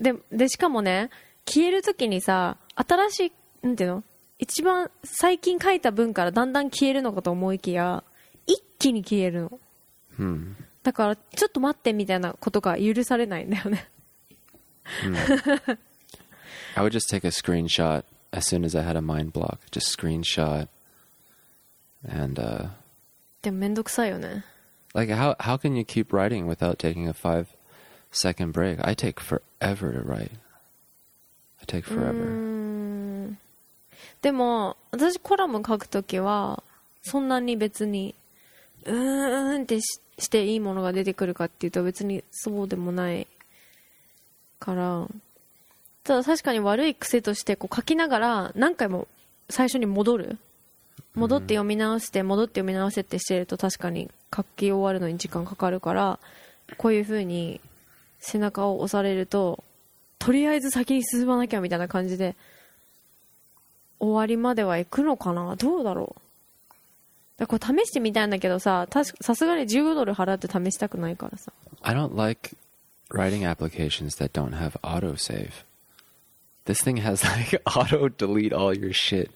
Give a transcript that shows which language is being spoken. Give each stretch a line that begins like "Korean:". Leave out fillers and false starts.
Japanese: でしかもね、消えるときにさ、新しい、なんていうの、一番最近書いた文からだんだん消えるのかと思いきや、一気に消えるの。だからちょっと待ってみたいなことが許されないんだよね。
English: I would just take a screenshot as soon as I had a mind block. Just screenshot. And,
Japanese: でもめんどくさいよね。
English: Like, how can you keep writing without taking a 5-second break? I take forever to write. I take forever.
Japanese: でも私コラム書くときはそんなに別にうーんって していいものが出てくるかっていうと別にそうでもないから、ただ確かに悪い癖としてこう書きながら何回も最初に戻る、戻って読み直して戻って読み直してってしてると確かに書き終わるのに時間かかるから、こういう風に背中を押されるととりあえず先に進まなきゃみたいな感じで終わりまでは行くのかな、どうだろう。だからこう試してみたいんだけどさ、さすがに15ドル払って試したくないからさ。
English: I don't like writing applications that don't have auto save. This thing has like auto delete all your shit.